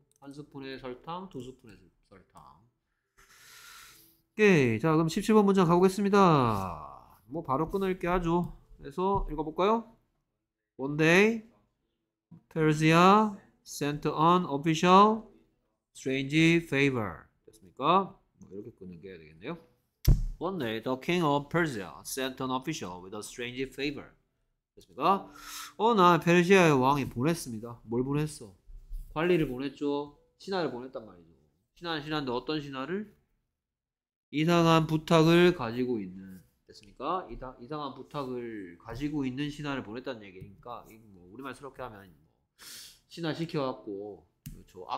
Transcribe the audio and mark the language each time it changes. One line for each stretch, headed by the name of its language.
Korean: 한 스푼에 설탕, 두 스푼에 설탕. 오케이, 자 그럼 17번 문장 가보겠습니다. 뭐 바로 끊을게 하죠. 그래서 읽어볼까요?
English: One day, Persia sent an official strange favor.
Korean: 됐습니까? 뭐 이렇게 끊는 게 되겠네요.
English: One day, the king of Persia sent an official with a strange favor.
Korean: 됐습니까? 어느 날 페르시아의 왕이 보냈습니다. 뭘 보냈어? 관리를 보냈죠. 신하를 보냈단 말이죠. 신하인데 어떤 신하를? 이상한 부탁을 가지고 있는, 됐습니까? 이상한 부탁을 가지고 있는 신하를 보냈다는 얘기니까, 뭐 우리말스럽게 하면, 신하 시켜갖고, 그렇죠.